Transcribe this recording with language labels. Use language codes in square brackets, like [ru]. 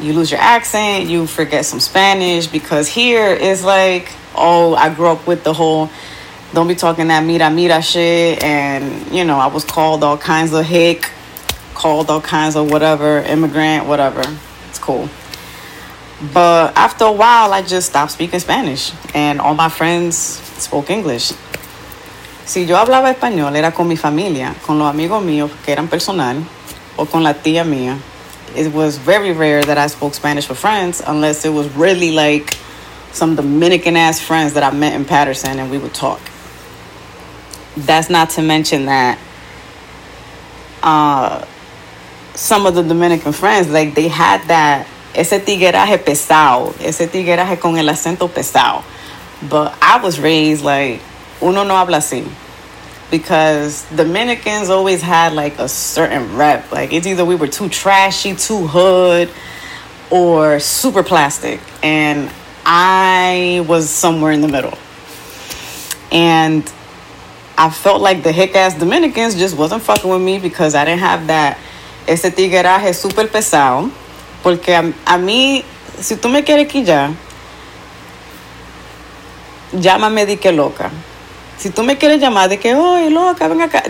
[en] You lose your accent. You forget some Spanish. Because here is like, oh, I grew up with the whole don't be talking that [es] mira mira [en] shit. And, you know, I was called all kinds of hick, called all kinds of whatever, immigrant, whatever. It's cool. But after a while, I just stopped speaking Spanish. And all my friends spoke English. [es] Si yo hablaba español, era con mi familia, con los amigos míos que eran personal, o con la tía mía. [en] It was very rare that I spoke Spanish with friends, unless it was really like some Dominican-ass friends that I met in Patterson and we would talk. That's not to mention that some of the Dominican friends, like, they had that [es] ese tigueraje pesado, ese tigueraje con el acento pesado. [en] But I was raised like, [es] uno no habla así. [en] Because Dominicans always had, like, a certain rep. Like, it's either we were too trashy, too hood, or super plastic. And I was somewhere in the middle. And I felt like the hick-ass Dominicans just wasn't fucking with me because I didn't have that [es] ese tigueraje super pesado. Porque a mí, si tú me quieres quillar, llámame de que loca. Si tú me quieres llamar de que, oye, loca, venga acá.